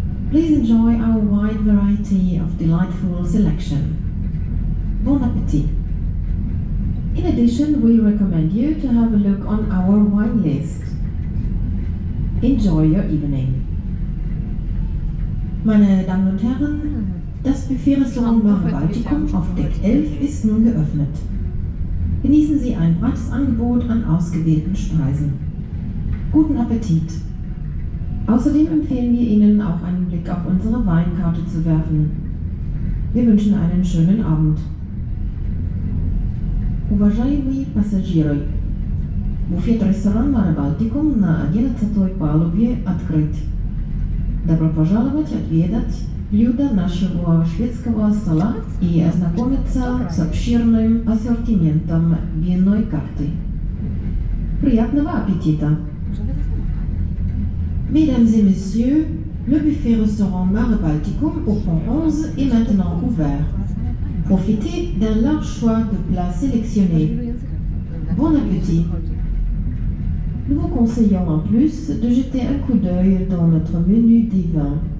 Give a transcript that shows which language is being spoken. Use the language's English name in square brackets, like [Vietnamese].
[English] Please enjoy our wide variety of delightful selection. Bon appétit! In addition, we recommend you to have a look on our wine list. Enjoy your evening. [German] Meine Damen und Herren, das Buffet-Restaurant Mare Baltikum auf Deck 11 ist nun geöffnet. Genießen Sie ein breites Angebot an ausgewählten Speisen. Guten Appetit! Außerdem empfehlen wir Ihnen, auch einen Blick auf unsere Weinkarte zu werfen. Wir wünschen einen schönen Abend. [Russian] Уважаемые пассажиры, буфет-ресторан Mare Baltikum на 11-й палубе открыт. Добро пожаловать отведать блюда нашего шведского стола и ознакомиться с обширным ассортиментом винной карты. Приятного аппетита! [French] Mesdames et messieurs, le buffet-restaurant Mare Baltikum au pont 11 est maintenant ouvert. Profitez d'un large choix de plats sélectionnés. Bon appétit! Nous vous conseillons en plus de jeter un coup d'œil dans notre menu divin.